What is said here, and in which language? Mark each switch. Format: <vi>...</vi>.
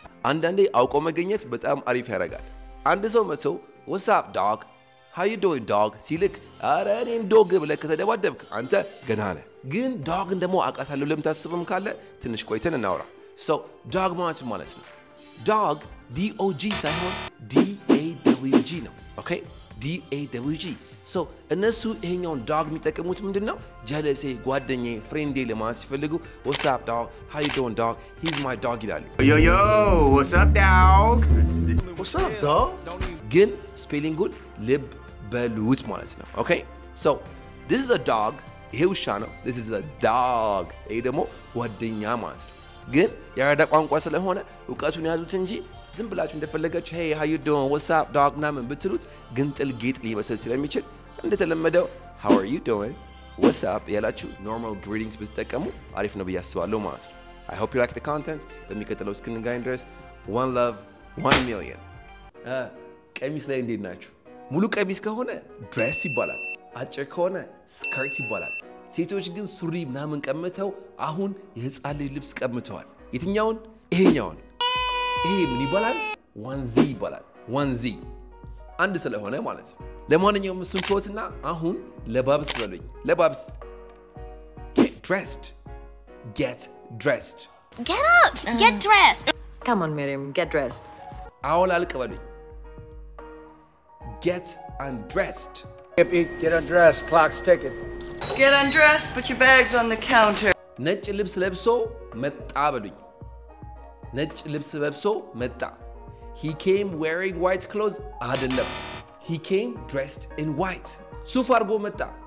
<am>አንዳንዴ አውቆ መገኘት በጣም አሪፍ ያደርጋል። አንድ ሰው መጥቶ</am> <en>What's up dog? How you doing dog?</en> <am>ሲልክ ኧረ እኔን ዶግ ብለህ ከተደባደብክ አንተ ገና ነህ። ግን ዶግን ደግሞ አቃታለሁ ለምታስብም ካለ ትንሽ ቆይተን እናውራ። So dog ማለት ምን ማለት ነው?</am> <en>Dog, D-O-G,</en> <am>ሳይሆን</am> <en>D-A-W-G</en> <am>ነው,</am> <en>okay? D-A-W-G.</en> <am>So, እነሱ ይሄኛውን dog የሚጠቀሙት ምንድን ነው? ጀለሴ, ጓደኛ, ፍሬንዴ ለማለት ሲፈልጉ,</am> <en>What's up, dog? How you doing, dog? He's my dog,</en> <am>ይላሉ.</am> <en>Yo, yo, what's up, dog? What's up, dog?</en> <am>ግን, spelling-ን ልብ በሉት ማለት ነው, okay?</am> <en>So, this is a dog,</en> <am>ይሄ ውሻ ነው,</am> <en>this is a dog.</en> <am>ይሄ ደግሞ ጓደኛ ማለት ነው. ግን ያረዳ ቋንቋ ስለሆነ ውቀቱን ያዙት እንጂ ዝም ብላችሁ እንደፈለጋችሁ</am> <en>hey how you doing what's up dog</en> <am>ምናምን ብትሉት ግንጥል ጌጥ ሊመስል ስለሚችል እንደተለመደው</am> <en>how are you doing what's up</en> <am>ያላችሁ normal greetings ብትጠቀሙ አሪፍ ነው ብዬ አስባለሁ ማለት ነው</am> <en>I hope you like the content</en> <am>በሚከተለው እስክንገናኝ ድረስ</am> <en>one love one million</en> <am>ቀሚስ ላይ እንዴት ናችሁ ሙሉ ቀሚስ ከሆነ dress ይባላል አጭር ከሆነ skirt ይባላል ሴቶች ግን ሱሪ ምናምን ቀምተው አሁን የህፃን ልጅ ልብስ ቀምተዋል የትኛውን ይሄኛውን ይሄ ምን ይባላል ዋንዚ ይባላል ዋንዚ አንድ ስለሆነ ማለት ለማንኛውም እሱን ተወትና አሁን ለባብስ በሉኝ ለባብስ</am> <en>get dressed get dressed get up get dressed come on Miriam get dressed</en> <am>አሁን አልቅ በሉኝ</am> <en>get undressed get undressed clock's ticking Get undressed, put your bags on the counter.</en> <am>ነጭ ልብስ ለብሶ መጣ በሉኝ. ነጭ ልብስ ለብሶ መጣ.</am> <en>He came wearing white clothes.</en> <am>አይደለም.</am> <en>He came dressed in white.</en> <am>ሱፍ አርጎ መጣ.</am>